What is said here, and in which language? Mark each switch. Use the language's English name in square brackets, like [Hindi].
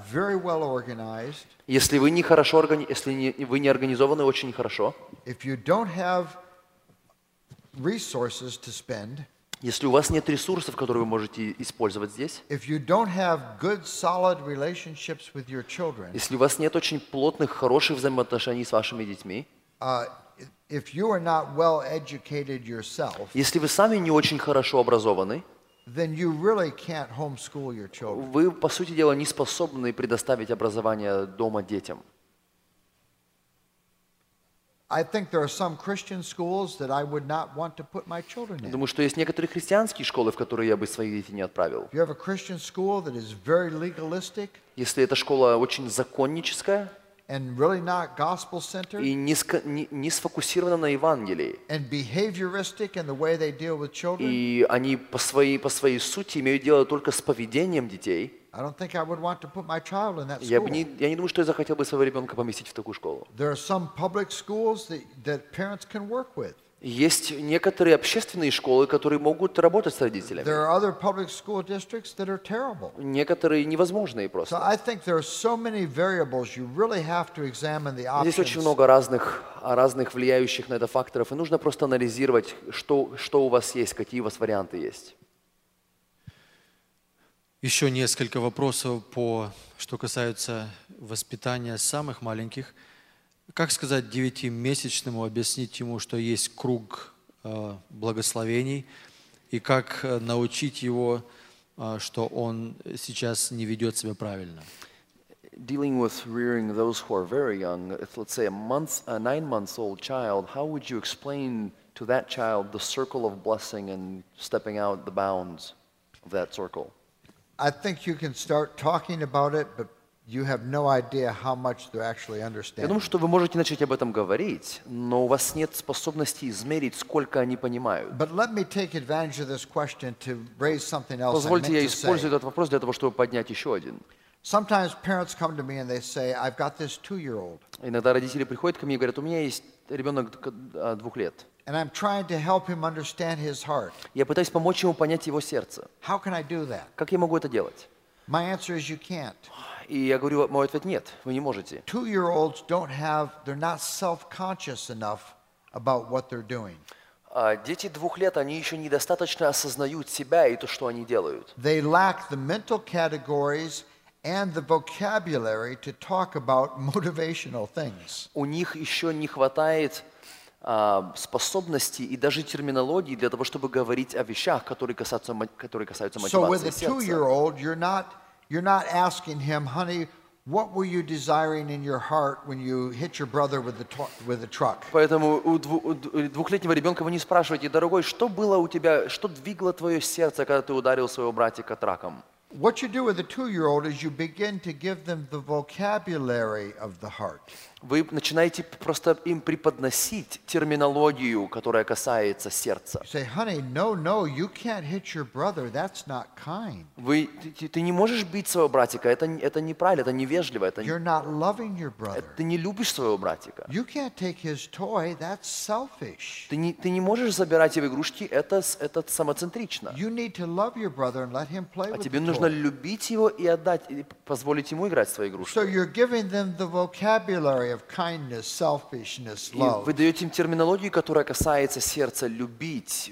[Russian] Если вы не хорошо, если вы не организованы очень хорошо, если у вас нет ресурсов, которые вы можете использовать здесь, если у вас нет очень плотных, хороших взаимоотношений с вашими детьми, если вы сами не очень хорошо образованы, вы, по сути дела, не способны предоставить образование дома детям. [English] I think there are some Christian schools that I would not want to put my children in. [Russian] Думаю, что есть некоторые христианские школы, в которые я бы своих детей не отправил. [English] You have a Christian school that is very legalistic. [Russian] Если эта школа очень законническая. [English] And really not gospel-centered. [Russian] И не сфокусирована на Евангелии. [English] And behavioristic in the way they deal with children. [Russian] И они по своей сути имеют дело только с поведением детей. [English] I don't think I would want to put my child in that school. [Russian] Я не думаю, что я захотел бы своего ребенка поместить в такую школу. [English] There are some public schools that parents can work with. [Russian] Есть некоторые общественные школы, которые могут работать с родителями. [English] There are other public school districts that are terrible. [Russian] Некоторые невозможные просто. [English] So I think there are so many variables. You really have to examine the options. [Russian] Здесь очень много разных влияющих на это факторов, и нужно просто анализировать, что у вас есть, какие у вас варианты есть. Еще несколько вопросов, что касается воспитания самых маленьких. Как сказать 9-месячному, объяснить ему, что есть круг благословений, и как научить его что он сейчас не ведет себя правильно. [English] Dealing with rearing those who are very young, if, let's say a nine-month-old child, how would you explain to that child the circle of blessing and stepping out the bounds of that circle? I think you can start talking about it, but you have no idea how much they're actually understanding. [Russian] Я думаю, что вы можете начать об этом говорить, но у вас нет способности измерить, сколько они понимают. [English] But let me take advantage of this question to raise something else. [Russian] Позвольте я использую этот вопрос для того, чтобы поднять еще один. [English] Sometimes parents come to me and they say, "I've got this 2-year-old." [Russian] Иногда родители приходят ко мне и говорят, у меня есть ребенок 2 лет. [English] And I'm trying to help him understand his heart. [Russian] Я пытаюсь помочь ему понять его сердце. [English] How can I do that? [Russian] Как я могу это делать? [English] My answer is, you can't. [Russian] И я говорю, мой ответ нет, вы не можете. [English] 2-year-olds don't have, they're not self-conscious enough about what they're doing. [Russian] Дети 2 лет, они еще недостаточно осознают себя и то, что они делают. [English] They lack the mental categories and the vocabulary to talk about motivational things. [Russian] У них еще не хватает способности и даже терминологии для того, чтобы говорить о вещах, которые касаются мотивации сердца. [English] So with a 2-year-old, you're not asking him, honey, what were you desiring in your heart when you hit your brother with the truck? [Russian] Поэтому у двухлетнего ребенка вы не спрашиваете, дорогой, что было у тебя, что двигало твое сердце, когда ты ударил своего братика траком? [English] What you do with a 2-year-old is you begin to give them the vocabulary of the heart. [Russian] Вы начинаете просто им преподносить терминологию, которая касается сердца. [English] Say, honey, no, you can't hit your brother. That's not kind. [Russian] Ты не можешь бить своего братика. Это неправильно, это невежливо. [English] You're not loving your brother. [Russian] Ты не любишь своего братика. [English] You can't take his toy. That's selfish. [Russian] Ты не можешь забирать его игрушки. Это самоцентрично. [English] You need to love your brother and let him play with the toy. [Russian] Нужно любить его и отдать, и позволить ему играть в свои игрушки. [English] So kindness, [Russian] и вы даете им терминологию, которая касается сердца, любить,